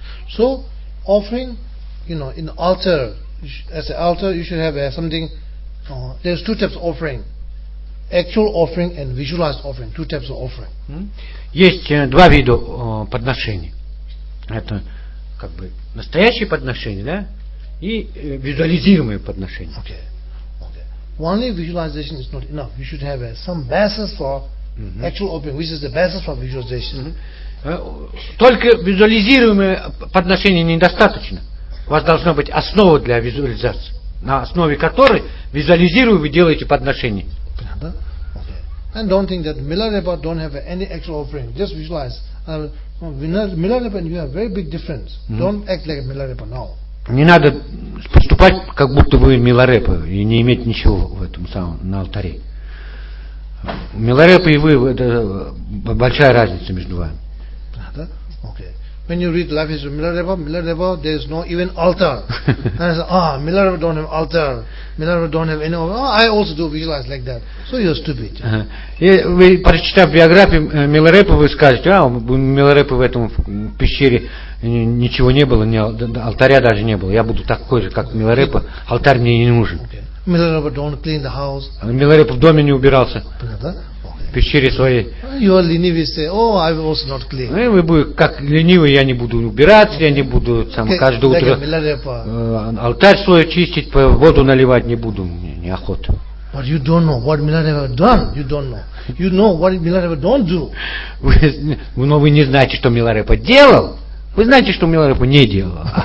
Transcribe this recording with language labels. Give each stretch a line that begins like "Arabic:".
English: so offering, you know, in altar, as an altar, you should have something. There's two types of offering: actual offering and visualized offering. Two types of offering.
Russian: Есть два вида подношений. Это как бы настоящие подношения, да, и визуализируемые подношения.
English: Okay. Only visualization is not enough. You should have some basis for actual offering, which is the basis for visualization.
Russian: Только визуализируемое подношение недостаточно. У вас должна быть основа для визуализации, на основе которой визуализируя вы делаете подношение. Понятно? Okay.
English: And don't think that Milarepa don't have any actual offering. Just visualize. Milarepa, you have very big difference. Don't act like Milarepa now.
Russian: Не надо поступать, как будто вы Миларепа, и не иметь ничего в этом самом, на алтаре. Миларепа и вы, это большая разница между вами. Да? Okay.
English: When you read life is Milarepa, Milarepa, there is no even altar. And I say, ah, Milarepa don't have altar. Milarepa don't have any altar. Oh, I also do visualize like that. So you're stupid.
Russian: И вы, прочитав биографию Миларепы, вы скажете, а, у Миларепы в этом пещере ничего не было, алтаря даже не было. Я буду такой же, как Миларепа. Алтарь мне не нужен.
English: Миларепа don't clean the house.
Russian: Миларепа в доме не убирался. Да? В пещере своей.
English: You are lenivy, say, oh, I will also not clean.
Russian: Ну, вы будете, как ленивый, я не буду убираться, я не буду сам каждое утро алтарь свой чистить, воду наливать не буду, мне неохота.
English: But you don't know what Milarepa done. You don't know. You know what Milarepa don't do.
Russian: Но вы не знаете, что Милорепа делал. Вы знаете, что Милорепа не делал.